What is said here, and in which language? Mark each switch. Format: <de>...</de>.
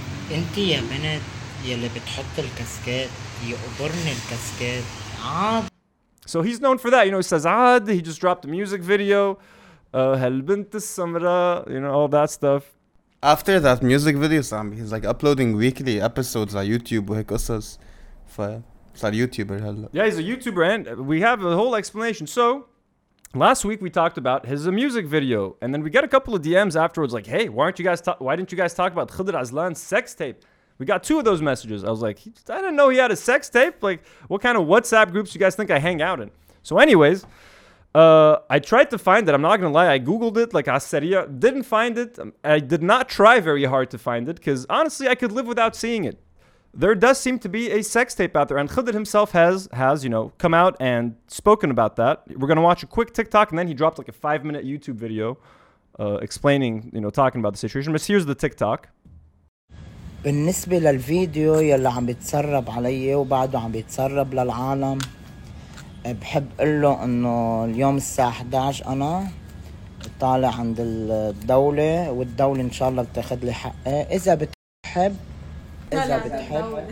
<ar>انت يا بنت يلي بتحط الكاسكات يقبرني الكاسكات عاد.</ar> <en>So he's known for that, you know, he says عاد, he just dropped a music video,</en> <ar>هل بنت السمراء,</ar> <en>you know, all that stuff. After that music video, Sam, he's like uploading weekly episodes on YouTube</en> <ar>وهيك قصص, فصار يوتيوبر هلا.</ar> <en>Yeah, he's a YouTuber and we have a whole explanation. So last week we talked about his music video and then we got a couple of DMs afterwards like, hey, why didn't you guys talk about Khadr Aslan's sex tape? We got two of those messages. I was like, I didn't know he had a sex tape. Like, what kind of WhatsApp groups you guys think I hang out in? So anyways, I tried to find it. I'm not going to lie. I Googled it. Like, Aseria, didn't find it. I did not try very hard to find it because, honestly, I could live without seeing it. There does seem to be a sex tape out there. And Khidr himself has, you know, come out and spoken about that. We're going to watch a quick TikTok. And then he dropped like a 5-minute YouTube video explaining, you know, talking about the situation. But here's the TikTok.</en> <ar>بالنسبة للفيديو يلي عم بيتسرب علي وبعده عم بيتسرب للعالم بحب اقول له انه اليوم الساعة 11 انا طالع عند الدولة والدولة ان شاء الله بتاخذ لي حقي اذا بتحب اذا بتحب</ar>